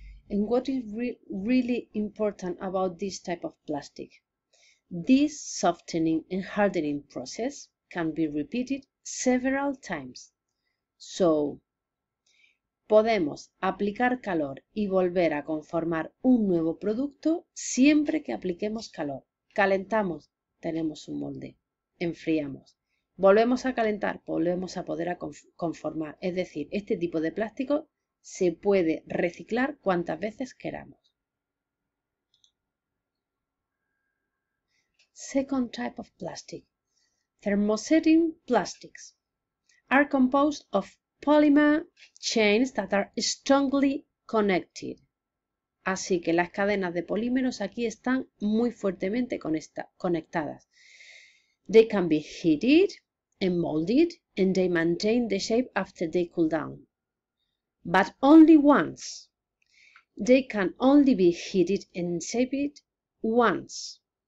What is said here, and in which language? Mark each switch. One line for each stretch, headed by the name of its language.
English: And what is really important about this type of plastic? This softening and hardening process can be repeated several times.
Spanish: So, podemos aplicar calor y volver a conformar un nuevo producto siempre que apliquemos calor. Calentamos, tenemos un molde. Enfriamos. Volvemos a calentar, volvemos a poder a conformar. Es decir, este tipo de plástico se puede reciclar cuantas veces queramos.
English: Second type of plastic. Thermosetting plastics are composed of polymer chains that are strongly connected.
Spanish: Así que las cadenas de polímeros aquí están muy fuertemente conectadas.
English: They can be heated and molded and they maintain the shape after they cool down. But only once. They can only be heated and shaped once.